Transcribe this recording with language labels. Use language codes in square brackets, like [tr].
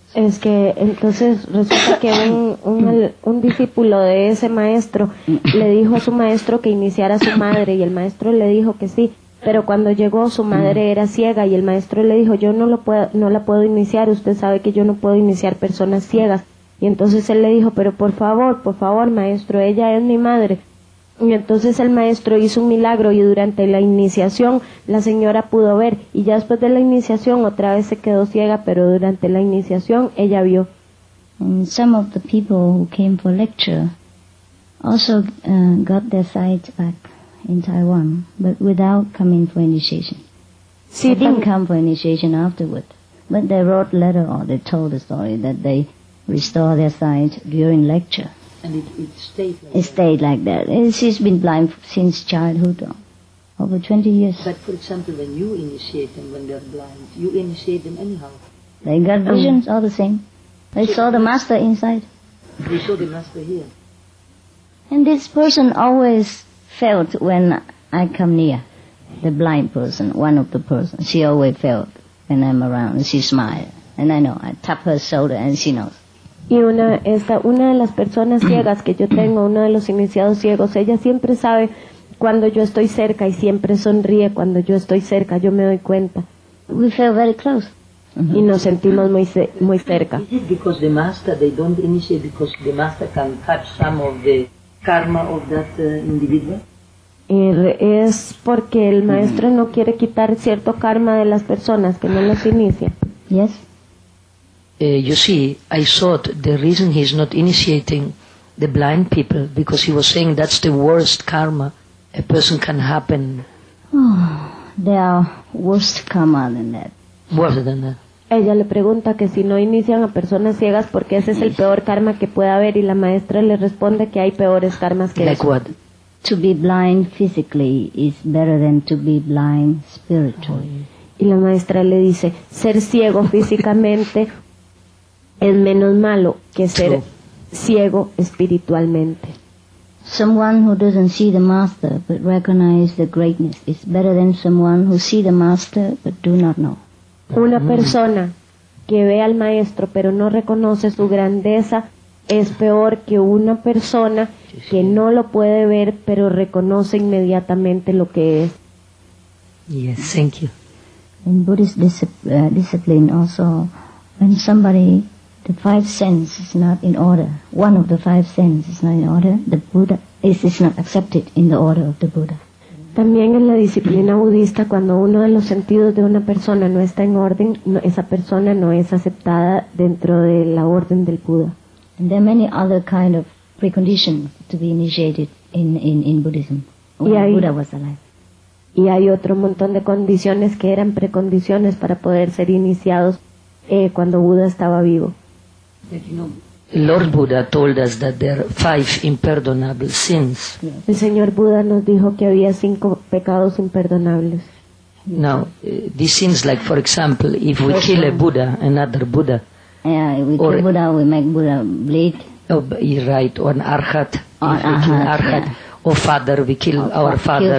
[es] Es que entonces resulta que un discípulo de ese maestro le dijo a su maestro que iniciara a su madre y el maestro le dijo que sí, pero cuando llegó su madre era ciega y el maestro le dijo, yo no la puedo iniciar, usted sabe que yo no puedo iniciar personas ciegas. Y entonces él le dijo, pero por favor maestro, ella es mi madre. Y entonces el maestro hizo un milagro y durante la iniciación la señora pudo ver y ya después de la iniciación otra vez se quedó ciega, pero durante la iniciación ella vio. [en] Some of the people who came for lecture also got their sight back in Taiwan, but without coming for initiation. [es] Sí, [en] they didn't come for initiation afterward, but they wrote letter or they told the story that they restored their sight during lecture. And it stayed like that. She's been blind since childhood, over 20 years. But for example, when you initiate them, when they're blind, you initiate them anyhow. They got visions all the same. They saw the master inside. They saw the master here. And this person always felt when I come near, the blind person, one of the persons, she always felt when I'm around, she smiled. And I know, I tap her shoulder and she knows. [es] Y una de las personas ciegas que yo tengo, uno de los iniciados ciegos, ella siempre sabe cuando yo estoy cerca y siempre sonríe cuando yo estoy cerca, yo me doy cuenta. [en] We feel very close. [es] Y nos sentimos muy muy cerca. [en] Is it because the master, they don't initiate because the master can touch some of the karma of that individual? [es] Es porque el maestro no quiere quitar cierto karma de las personas que no los inicia. [en] Yes. You see, I thought the reason he's not initiating the blind people because he was saying that's the worst karma a person can happen. Oh, there are worse karma than that. Worse than that. [es] Ella le pregunta que si no inician a personas ciegas porque ese es el peor karma que puede haber y la maestra le responde que hay peores karmas que [en] like Like what? To be blind physically is better than to be blind spiritually. [es] Y la maestra le dice, ser ciego físicamente es menos malo que ser ciego espiritualmente. [en] Someone who doesn't see the master but recognize the greatness is better than someone who see the master but do not know. [es] Una persona que ve al maestro pero no reconoce su grandeza es peor que una persona que no lo puede ver pero reconoce inmediatamente lo que es. [en] Yes, thank you. In Buddhist discipline also, when somebody the five senses is not in order. One of the five senses is not in order. The Buddha is not accepted in the order of the Buddha. [es] También en la disciplina budista, cuando uno de los sentidos de una persona no está en orden, no, esa persona no es aceptada dentro de la orden del Buda. [en] And there are many other kind of preconditions to be initiated in Buddhism when the Buddha was alive. [es] Y hay otro montón de condiciones que eran precondiciones para poder ser iniciados cuando Buda estaba vivo. [en] Lord Buddha told us that there are five impardonable sins. [es] El Señor Buda nos dijo que había cinco pecados imperdonables. [en] Now, these sins, like for example, if we kill a Buddha, another Buddha. Yeah, if we kill Buddha, we make Buddha bleed. Oh, right, or an arhat. Or father, we kill our father,